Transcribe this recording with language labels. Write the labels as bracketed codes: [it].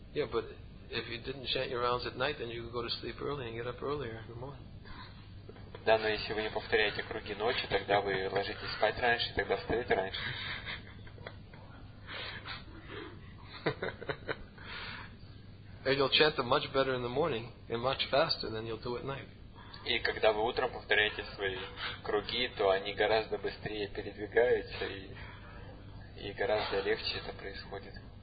[en] Yeah, but if you didn't chant your rounds at night, then you could go to sleep early and get up earlier in the morning. [ru] Да, но если вы не повторяете круги ночи, тогда вы ложитесь спать раньше, тогда встаете раньше. [en] And you'll chant them much better in the morning and much faster than you'll do at night. [ru] И когда вы утром повторяете свои круги, то они гораздо быстрее передвигаются и гораздо легче это происходит.